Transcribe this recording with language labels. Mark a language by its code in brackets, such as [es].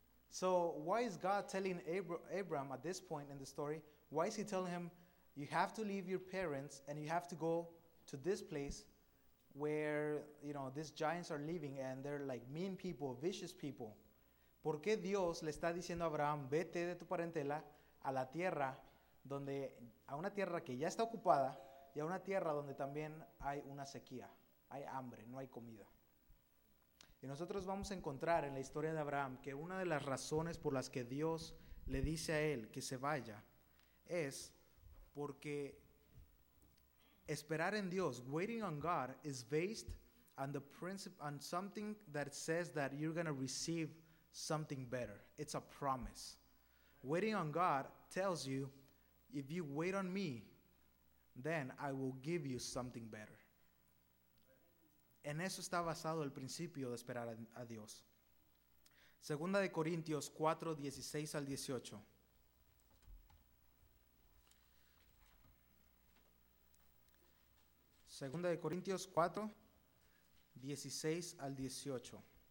[en] So, why is God telling Abraham at this point in the story, why is he telling him, you have to leave your parents and you have to go to this place where, you know, these giants are living and they're like mean people, vicious people. [es] ¿Por qué Dios le está diciendo a Abraham, vete de tu parentela a la tierra donde, a una tierra que ya está ocupada y a una tierra donde también hay una sequía, hay hambre, no hay comida? Y nosotros vamos a encontrar en la historia de Abraham que una de las razones por las que Dios le dice a él que se vaya es porque esperar en Dios, [en] waiting on God, is based on the principle, on something that says that you're going to receive something better. It's a promise. Waiting on God tells you, if you wait on me, then I will give you something better. [es] En eso está basado el principio de esperar a Dios. Segunda de Corintios 4, 16 al 18. Segunda de Corintios 4, 16 al 18.